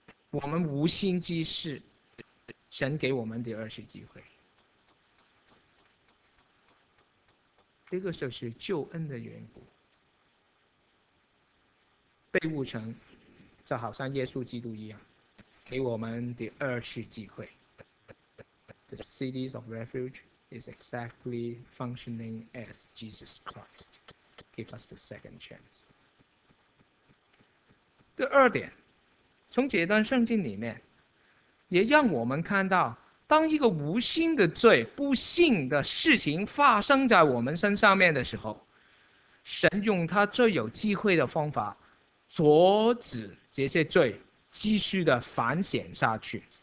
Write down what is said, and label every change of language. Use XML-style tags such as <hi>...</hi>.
<zh>我们无心之事，神给我们第二次机会。这个就是救恩的缘故，被误成，就好像耶稣基督一样，给我们第二次机会。</zh> <en>The cities of refuge is exactly functioning as Jesus Christ give us the second chance。</en> <zh>第二点。从这段圣经里面，也让我们看到，当一个无心的罪、不幸的事情发生在我们身上面的时候，神用他最有智慧的方法，阻止这些罪继续的繁衍下去。</zh>